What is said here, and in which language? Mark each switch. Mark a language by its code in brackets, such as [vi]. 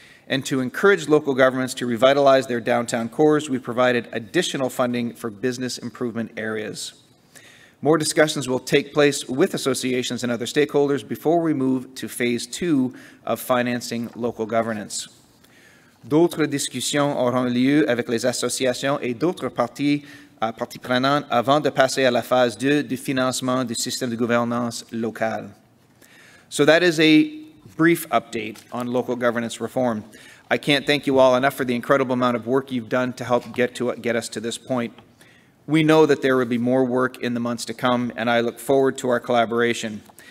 [en] And to encourage local governments to revitalize their downtown cores, we provided additional funding for business improvement areas. More discussions will take place with associations and other stakeholders before we move to phase two of financing local governance. [fr] D'autres discussions auront lieu avec les associations et d'autres parties prenantes avant de passer à la phase 2 du financement du système de gouvernance local. [en] So that is a brief update on local governance reform. I can't thank you all enough for the incredible amount of work you've done to help get us to this point. We know that there will be more work in the months to come, and I look forward to our collaboration.